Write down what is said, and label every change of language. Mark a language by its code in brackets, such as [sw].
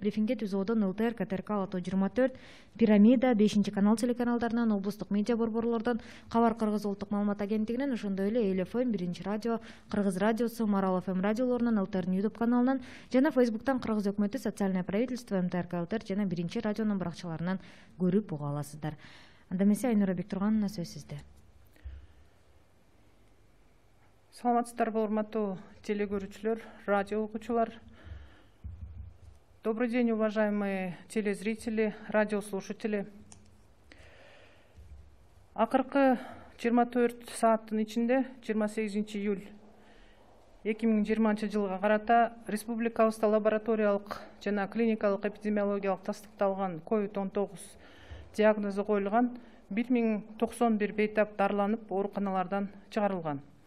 [ky] Брифингге түзүүдөн ЛТР, КТРК, Алатоо 24, Пирамида, 5-чи канал телеканалдарынан, облустук медиа борборлордон, Кабар Кыргыз улуттук маалымат агенттигинен, ошондой эле Эл ФМ, Биринчи радио, Кыргыз радиосу, Марал ФМ радиолорунан, ЛТР Ньюдуб каналынан жана Фейсбуктан Кыргыз өкмөт [ru] социальное правительство [ky] МТРК ЛТР жана биринчи радионун баракчаларынан көрүп уга аласыздар. Анда эмесе Айнура Бектурганова сөз сизде. Саламатсыздарбы, урматтуу телекөрүүчүлөр, радио окуучулар. [ru] Добрый день, уважаемые телезрители, радиослушатели. [ky] Акыркы 24 сааттын ичинде 28 июль 2020 жылга карата республикалык лабораториялык жана клиникалык эпидемиологиялык тастыкталган COVID-19 диагнозу коюлган 1091 бейтап дарыланып ооруканалардан чыгарылган.